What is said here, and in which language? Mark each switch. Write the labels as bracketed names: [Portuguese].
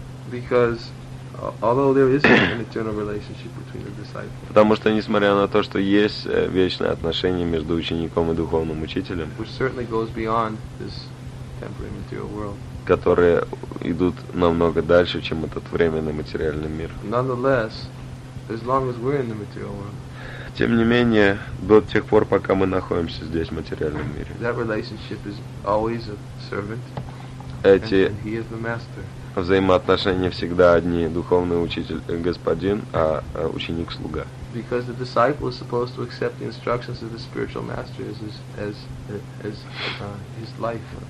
[English] Because although there is an eternal relationship between the disciples. [Russian] Потому что несмотря на то, что есть вечное отношение между учеником и духовным учителем, [English] which certainly goes beyond this temporary material world. [Russian] Которые идут намного дальше, чем этот временный материальный мир. [English] Nonetheless, as long as we're in the material world. [Russian] Тем не менее, до тех пор, пока мы находимся здесь, в материальном мире. [English] That relationship is always a servant. [Russian] Эти [English] and he is the master. [Russian] Взаимоотношения всегда одни: духовный учитель – господин, а ученик – слуга. [English] Because the disciple is supposed to accept the instructions of the spiritual master as his life,